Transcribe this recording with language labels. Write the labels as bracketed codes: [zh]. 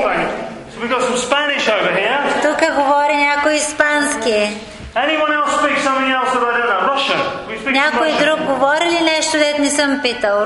[en] So we got some Spanish over here. [bg] Тук говори някой испански. [en] Anyone else speak something else that I don't know? Russian. [bg] Някой друг говори ли нещо, дето не съм питал?